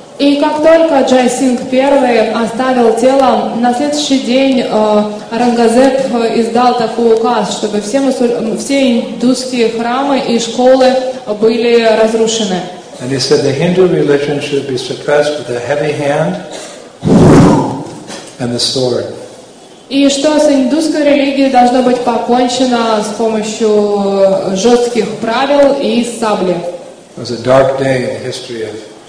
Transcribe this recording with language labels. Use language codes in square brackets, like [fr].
[ru] И как только Джай Синг I оставил тело, на следующий день Арангазеп издал такой указ, чтобы все индуистские храмы и школы были разрушены. [en] And he said the Hindu religion should be suppressed with a heavy hand and the sword. [ru] И что с индусской религией должно быть покончено с помощью жестких правил и сабли. [en] It was a dark day in the history of